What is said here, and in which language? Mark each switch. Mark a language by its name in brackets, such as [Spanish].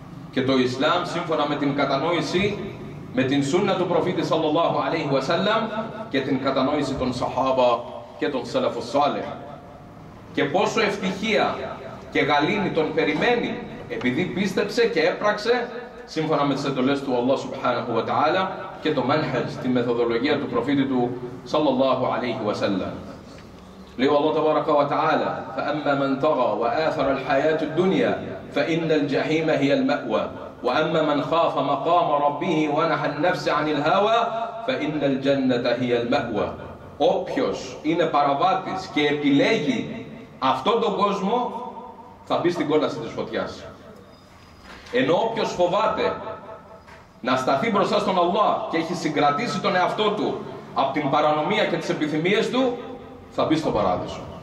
[Greek] Και το Ισλάμ, σύμφωνα με την κατανόηση, με την σούνα του προφήτη Σαλλαλάχου Αλέιχου Ασέλλαμ και την κατανόηση των Σαχάβα και των Σελαφος Σάλεχ. Και πόσο ευτυχία και γαλήνη τον περιμένει επειδή πίστεψε και έπραξε σύμφωνα με τις εντολές του Αλλάχ Σουμπχάναχου Βετα'άλα και το μένχεζ, τη μεθοδολογία του προφήτη του Σαλλαλάχου Αλέιχου Ασέλλαμ. Λέει ο [Arabic] Αλλάχ Τεβάρακα Βετα'άλα فَأَمَّا مَنْ تَغَى وَآثَرَ الْحَيَاةُ الدُّنْيَا فَإِنَّ الْجَحِيمَ هِيَ الْمَأْوَى وَأَمَّا مَنْ خَافَ مَقَامَ رَبِّهِ وَنَحَ النَّفْسَ عَنِ الْهَوَى فَإِنَّ الْجَنَّةَ هِيَ الْمَأْوَى. [Greek] Όποιος είναι παραβάτης και επιλέγει αυτόν τον κόσμο θα μπει στην κόλαση της φωτιάς. Ενώ όποιος φοβάται να σταθεί μπροστά στον Αλλάχ και έχει συγκρατήσει τον εαυτό του από την παρανομία και τις επιθυμίες του θα μπει στον παράδεισο.